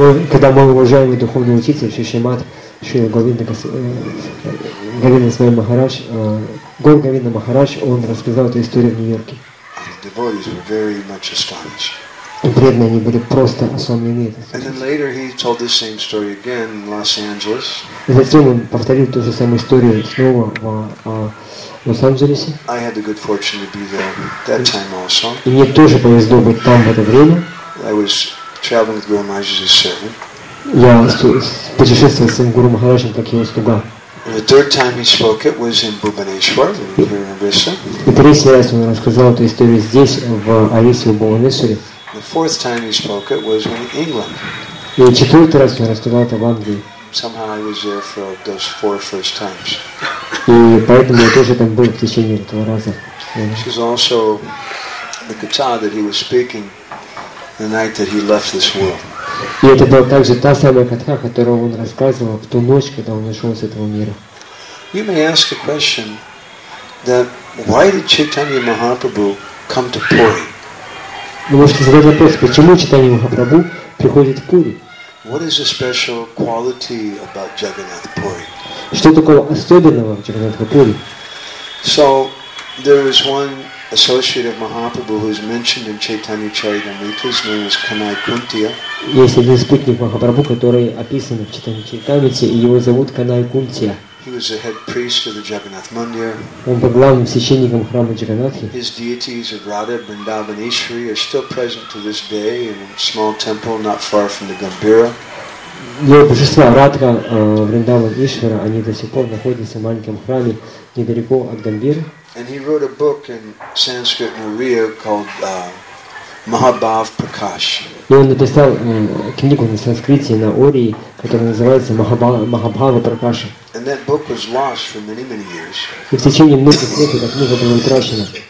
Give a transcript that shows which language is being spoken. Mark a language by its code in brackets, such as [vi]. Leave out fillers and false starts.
[ru] Когда мой уважаемый духовный учитель Шри Шримад Шрила Гурувинда Махарадж, он рассказал эту историю в Нью-Йорке. [en] The devotees were very much astonished. [ru] И преданные, они были просто ошеломлены. [en] And then later he told the same story again in Los Angeles. [ru] И затем он повторил ту же самую историю снова в Лос-Анджелесе. [en] I had the good fortune to be there that time also. [ru] И мне тоже повезло быть там в это время. [en] I was traveling with Guru Maharaj as a servant. [ru] Я путешествовал с Гуру Махараджем как его слуга. [en] And the third time he spoke it was in Bhubaneswar, here in Orissa. [ru] И третий раз он рассказал эту историю здесь, в Орисе, в Бхубанешваре. [en] The fourth time he spoke it was in England. [ru] И четвертый раз он рассказал это в Англии. [en] Somehow I was there for those four first times. [ru] И поэтому я тоже там был в течение этого раза. [en] This is also the kata that he was speaking the night that he left this world. [ru] И это была также та самая катха, которую он рассказывал в ту ночь, когда он ушел с этого мира. [en] You may ask a question that why did Chaitanya Mahaprabhu come to Puri? [ru] Вы можете задать вопрос, почему Чайтанья Махапрабху приходит в Пури? [en] What is the special quality about Jagannath Puri? [ru] Что такого особенного в Джаганнатха Пури? [en] So there is one associate of Mahaprabhu who is mentioned in Chaitanya Charitamrita. His name is Kanai Kuntia. [ru] Есть один спутник Махапрабху, который описан в Чайтанья Чаритамрите, и его зовут Канай Кунтия. [en] He was the head priest of the Jagannath Mandir. [ru] Он был главным священником храма Джаганнатхи. [en] His deities of Radha, Vrindavan, Ishri are still present to this day in a small temple not far from the Gambira. [ru] Его божества Радха, Вриндаван, Ишвара, они до сих пор находятся в маленьком храме недалеко от Гамбиры. [en] And he wrote a book in Sanskrit and Uriya called Mahabhav Prakash. [ru] И он написал книгу на санскрите на Ории, которая называется Махабхава Пракаша. [en] And that book was lost for many, many years. [ru] И в течение многих лет эта книга была утрачена.